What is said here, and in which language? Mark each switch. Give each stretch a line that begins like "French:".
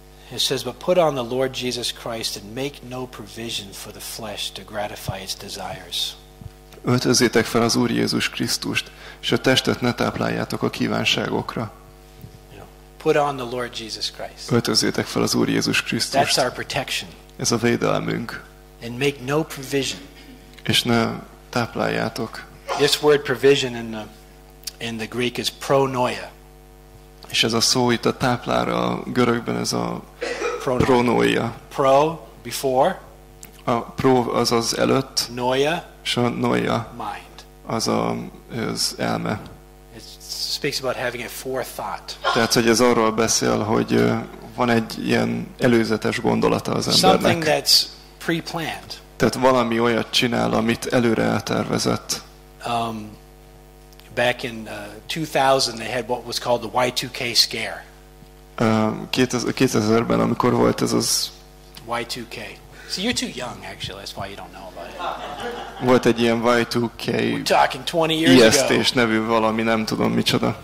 English: It says, "But put on the Lord Jesus Christ and make no provision for the flesh to gratify its desires."
Hungarian: Öltözzétek fel az Úr Jézus Krisztust, és a testet ne tápláljátok a kívánságokra.
English: Put on the Lord Jesus Christ.
Hungarian: Öltözzétek fel az Úr Jézus Krisztust.
English: That's our protection.
Hungarian: Ez a védelmünk.
English: And make no provision.
Hungarian: És ne tápláljátok.
English: This word provision in the Greek is pronoia.
Hungarian: És ez a szó itt a táplára a görögben ez a pronoia.
English: Pro before.
Hungarian: A pro az az előtt.
English: Noia.
Hungarian: És a noia.
English: Mind.
Hungarian: Az elme.
English: It speaks about having a forethought.
Hungarian: Tehát hogy ez arról beszél, hogy van egy ilyen előzetes gondolata az embernek.
English: Something that's pre-planned.
Hungarian: Tehát valami olyat csinál, amit előre eltervezett.
English: Back in 2000 they had what was called the Y2K scare.
Hungarian: 2000-ben amikor volt ez az
English: Y2K. So you're too young actually, that's why you don't know about it.
Hungarian: Volt egy ilyen Y2K.
English: We're talking 20 years ago.
Hungarian: Ijesztés nevű valami, nem tudom micsoda.